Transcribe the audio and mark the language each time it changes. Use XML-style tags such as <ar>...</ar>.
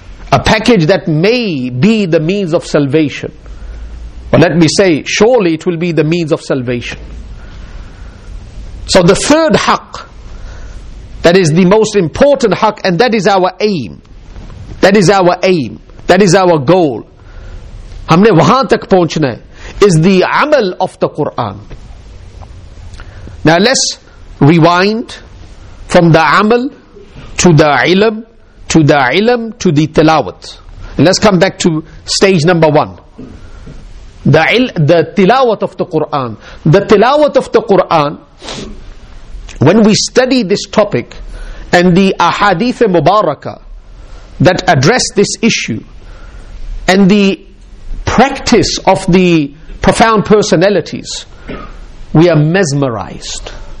<en>A package that may be the means of salvation. But let me say, surely it will be the means of salvation. So the third haqq, that is the most important haqq, and that is our aim. That is our aim. That is our goal.</en> <ur>ہم نے وہاں تک پہنچنا ہے,</ur> <en>is the amal of the Quran. Now let's rewind from the amal to the ilm, to the ilm, to the tilawat. And let's come back to stage number one. The tilawat of the Quran. The tilawat of the Quran, when we study this topic and the ahadith mubarakah that address this issue and the practice of the profound personalities, we are mesmerized.</en>